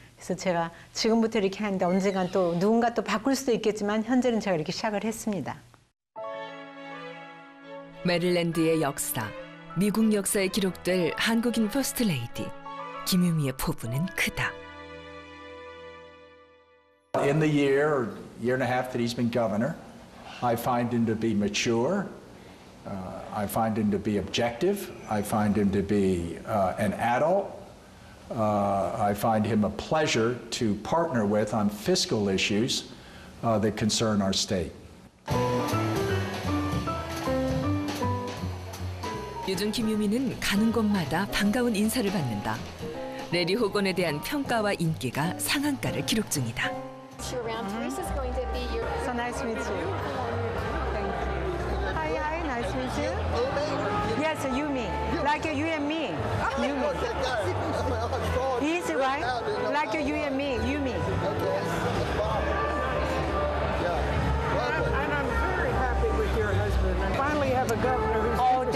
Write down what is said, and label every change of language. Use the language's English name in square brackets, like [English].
[Korean] 그래서 제가 지금부터 이렇게 하는데 언젠간 또 누군가 또 바꿀 수도 있겠지만 현재는 제가 이렇게 시작을 했습니다. 메릴랜드의 역사, 미국 역사에 기록될 한국인 퍼스트 레이디 김유미의 포부는 크다. [English] In the year or year and a half that he's been governor, I find him to be mature. I find him to be objective. I find him to be an adult. I find him a pleasure to partner with on fiscal issues that concern our state. [Korean] 요즘 김유미는 가는 곳마다 반가운 인사를 받는다. 레디 호건에 대한 평가와 인기가 상한가를 기록 중이다. [English] So nice to meet you. Thank you. Hi, hi, nice to meet you. Yes, you me. Like you and me. You me. Like you and me, you me. And I'm very happy with your husband. I finally have a governor who's